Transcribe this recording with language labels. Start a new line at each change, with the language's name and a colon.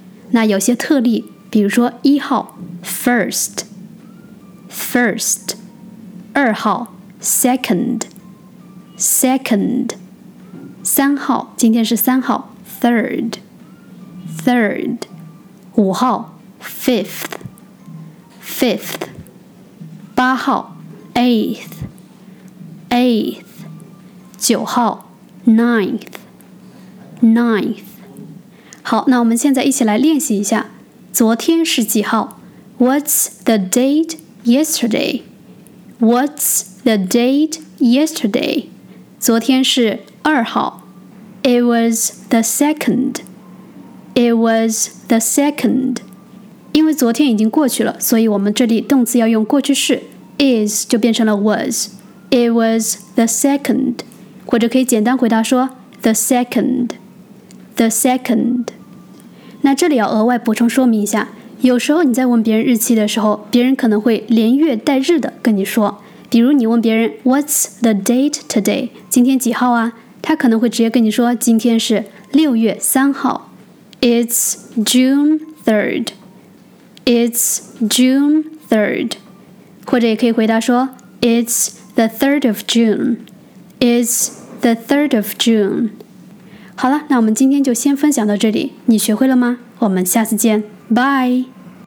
Chinese: 那有些特例，比如说一号 first， first， 二号second， second， 三号，今天是三号， third， third， 五号， fifth， fifth， 八号， eighth， eighth， 九号， ninth， ninth。好，那我们现在一起来练习一下，昨天是几号？
English: What's the date yesterday? What'sThe date yesterday.
Chinese: 昨天是二号。
English: It was the second. It was the second.
Chinese: 因为昨天已经过去了，所以我们这里动词要用过去式， is 就变成了 was.
English: It was the second.
Chinese: 或者可以简单回答说
English: the second. The second.
Chinese: 那这里要额外补充说明一下，有时候你在问别人日期的时候，别人可能会连月带日的跟你说。比如你问别人
English: What's the date today?
Chinese: 今天几号啊？他可能会直接跟你说今天是六月三号。
English: It's June 3rd. It's June 3rd.
Chinese: 或者也可以回答说
English: It's the 3rd of June. It's the 3rd of June.
Chinese: 好了，那我们今天就先分享到这里。你学会了吗？我们下次见。Bye!